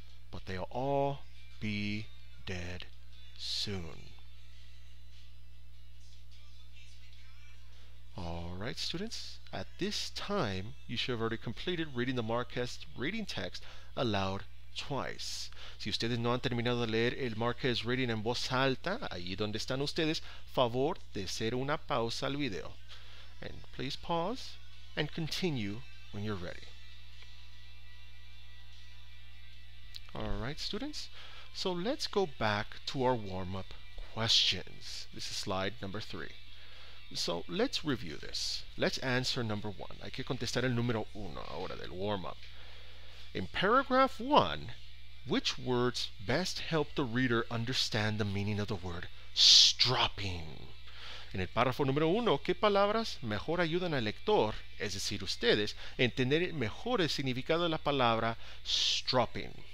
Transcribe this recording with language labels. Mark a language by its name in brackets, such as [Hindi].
[English] But they'll all be dead soon. All right, students. At this time, you should have already completed reading the Marquez reading text aloud twice. [Spanish] Si ustedes no han terminado de leer el Marquez Reading en voz alta, allí donde están ustedes, favor de hacer una pausa al video. [English] And please pause and continue when you're ready. Alright, students. So let's go back to our warm-up questions. This is slide number 3. So let's review this. Let's answer number 1. [Spanish] Hay que contestar el número 1 ahora del warm-up. [English] In paragraph 1, which words best help the reader understand the meaning of the word stropping? [Spanish] En el párrafo número uno, ¿qué palabras mejor ayudan al lector, es decir, ustedes, a entender mejor el significado de la palabra stropping?